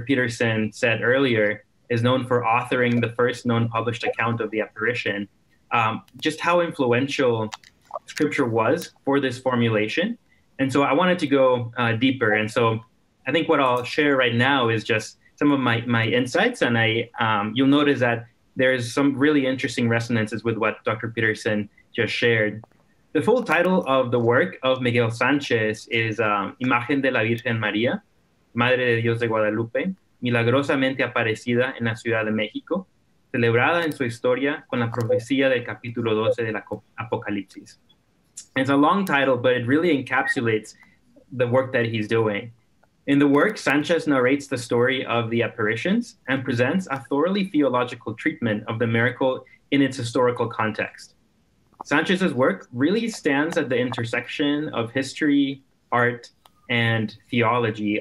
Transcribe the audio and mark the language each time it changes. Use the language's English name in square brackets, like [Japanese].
[English] Peterson said earlier, is known for authoring the first known published account of the apparition, just how influential scripture was for this formulation. And so I wanted to go deeper. And so I think what I'll share right now is just some of my insights. And I you'll notice that there's some really interesting resonances with what Dr. Peterson just shared. The full title of the work of Miguel Sanchez is [Spanish] Imagen de la Virgen María, Madre de Dios de Guadalupe, milagrosamente aparecida en la Ciudad de México, celebrada en su historia con la profecía del capítulo 12 de la Apocalipsis. [English] It's a long title, but it really encapsulates the work that he's doing. In the work, Sanchez narrates the story of the apparitions and presents a thoroughly theological treatment of the miracle in its historical context. Sanchez's work really stands at the intersection of history, art, and theology.